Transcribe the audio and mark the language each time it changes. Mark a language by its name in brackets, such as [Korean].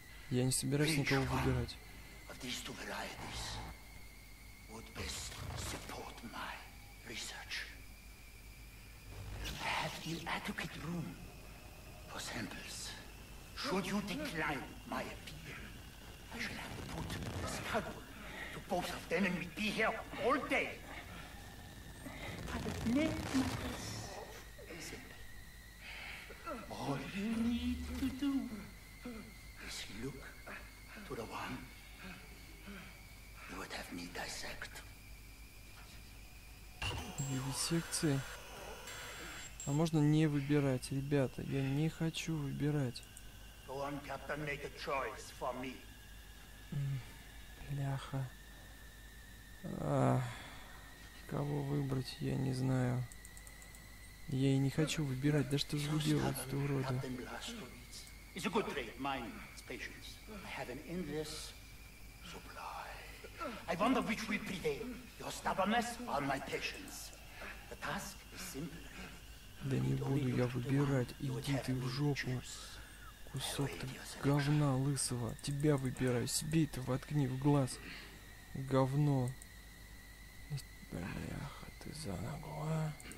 [Russian] Я не собираюсь никого выбирать. [English] These two varieties would best support my research. I have inadequate room for samples. Should you decline my appeal, I shall have to put a scalpel to both of them and we'd be here all day. I would make this simple. All you need to do is look to the one would have me dissect. [Russian] Выбирать секции. А можно не выбирать, ребята? Я не хочу выбирать. [English] Go on, Captain, make a choice for me. [Russian] Бляха. Кого выбрать, я не знаю. Я и не хочу выбирать. Да что же вы делаете, ты уроды? [English] It's a good trait. Mine is patience. I have an endless supply. I wonder which will prevail, your stubbornness or my patience. The task is simple. [Russian] Да не буду я выбирать. Иди ты в жопу, кусок ты говна лысого. Тебя выбираю, себе это воткни в глаз. Говно. Бляха, ты за ногу, а?